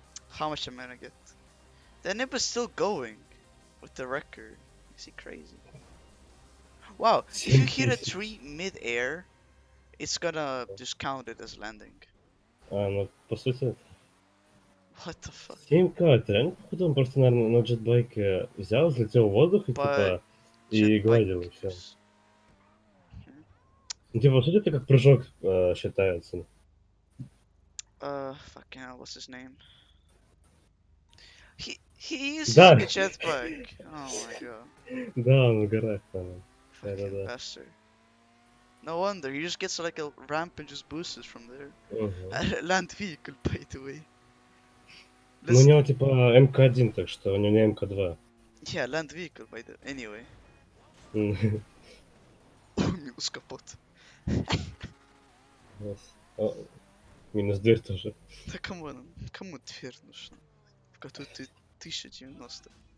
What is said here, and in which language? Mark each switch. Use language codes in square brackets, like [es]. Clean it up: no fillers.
[en] How much am I gonna get? The nib was still going with the record. Is he crazy? Wow, if you hit a tree mid air, it's gonna just count it as landing. [ru] Ну, по сути. [en] What the fuck? [ru] 7к, это реально походу он просто, наверное, на джетбайке взял, взлетел в воздух и типа и гладил и все. Ну типа, по сути, это как прыжок считается. [en] Fucking hell, what's his name? He using a jetbike. Oh my god. [ru] Да, он угорает, по-моему. [en] Fucking bastard. No wonder, he just gets like a ramp and just boosts from there. Land vehicle, by the way. [ru] Ну, у него типа МК1, так что у него не МК2. [en] Yeah, land vehicle, by the way. Anyway. [ru] Минус капот. Минус дверь тоже. Да кому дверь нужна? В которую ты... 1090.